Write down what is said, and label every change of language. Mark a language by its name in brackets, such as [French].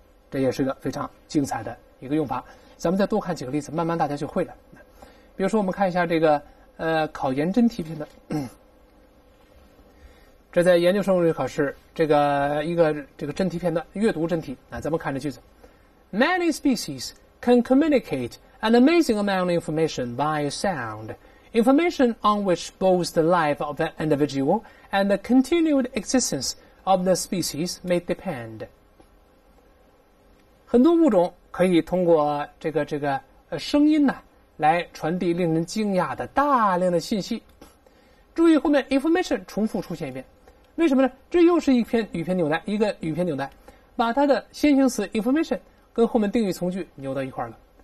[Chinese] 这也是个非常精彩的一个用法。咱们再多看几个例子，慢慢大家就会了。比如说我们看一下这个考研真题片段，这在研究生入学考试这个一个这个真题片段，阅读真题啊。咱们看这句子， [English] Many species can communicate an amazing amount of information via sound, information on which both the life of an individual and the continued existence of the species may depend。 [Chinese] 很多物种可以通过这个声音呢来传递令人惊讶的大量的信息。注意后面 information 重复出现一遍，为什么呢？这又是一篇语偏纽带，一个语偏纽带把它的先行词 information 跟后面定语从句扭到一块了。